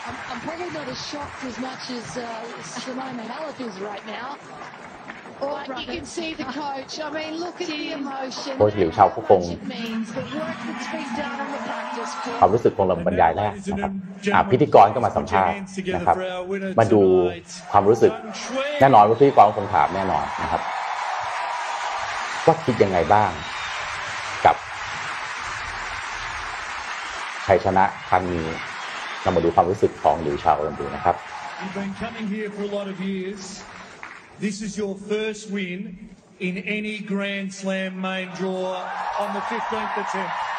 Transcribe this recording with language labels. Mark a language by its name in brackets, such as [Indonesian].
[English] I'm probably not as shocked as much as Simona Halep is right now. Oh, but you can see the coach. I mean, look at the emotion. Coach Liu Chao, what it means, the work that's been done on the practice court. [Thai] ความรู้สึกของเราบรรยายแรกนะครับพิธีกรก็มาสัมภาษณ์นะครับมาดูความรู้สึกแน่นอนว่าพิธีกรคงถามแน่นอนนะครับว่าคิดยังไงบ้างชัยชนะครั้งนี้เรามาดูความรู้สึกของหลิวเฉากันดูนะครับ [English] You've been coming here for a lot of years. This is your first win in any Grand Slam main draw on the 15th attempt.